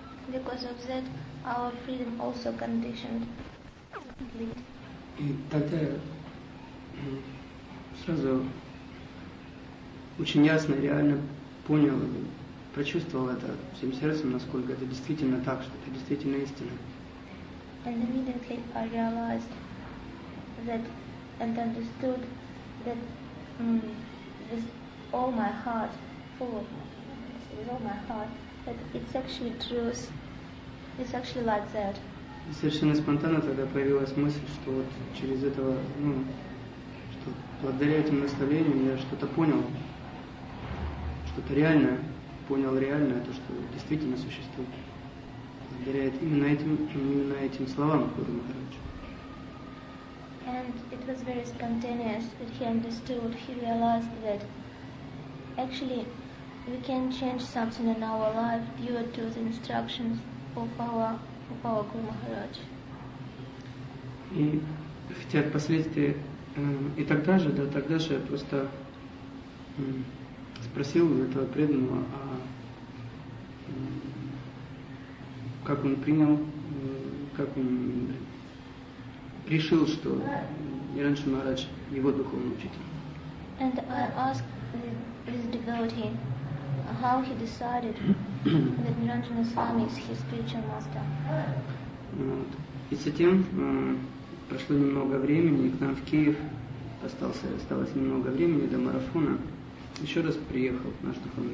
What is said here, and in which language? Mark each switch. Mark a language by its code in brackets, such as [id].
[en] Because of that, our freedom also conditioned. [ru] И тогда сразу очень ясно, реально понял, прочувствовал это всем сердцем, насколько это действительно так, что это действительно истина. [en] And immediately I realized that and understood that with all my heart, that it's actually truth. It's actually like that. [ru] Совершенно спонтанно тогда появилась мысль, что вот через этого, что благодаря этим наставлениям я что-то понял, что-то реальное, понял реальное, то, что действительно существует. Благодаря именно этим словам, Гуру Махарадж. [en] And it was very spontaneous that he understood, he realized that actually we can change something in our life due to the instructions of our Guru Maharaj. [ru] И хотя впоследствии и тогда же я просто спросил у этого преданного, как он решил, что Ниранджан Махарадж его духовный учитель. [en] And I asked this devotee how he decided that Niranjana Swami is his spiritual master. [ru] Вот. И затем прошло немного времени, к нам в Киев осталось немного времени до марафона. Еще раз приехал наш духовный